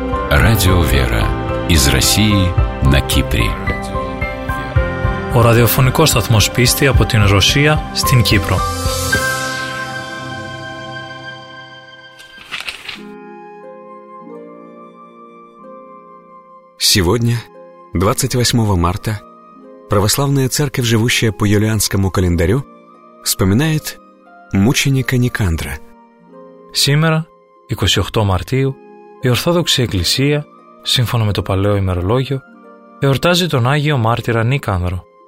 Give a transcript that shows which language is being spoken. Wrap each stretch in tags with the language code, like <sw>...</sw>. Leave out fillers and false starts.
<ru>Радио «Вера» из России на Кипре.</ru> <el>Ο ραδιοφωνικός σταθμός πίστη από την Ρωσία στην Κύπρο.</el> <ru>Сегодня, 28 марта, православная церковь, живущая по юлианскому календарю, вспоминает мученика Никандра.</ru> <el>Σήμερα, 28 Μαρτίου, η Ορθόδοξη Εκκλησία, σύμφωνα με το παλαιό ημερολόγιο, εορτάζει τον Άγιο Μάρτυρα Νίκανδρο.</el>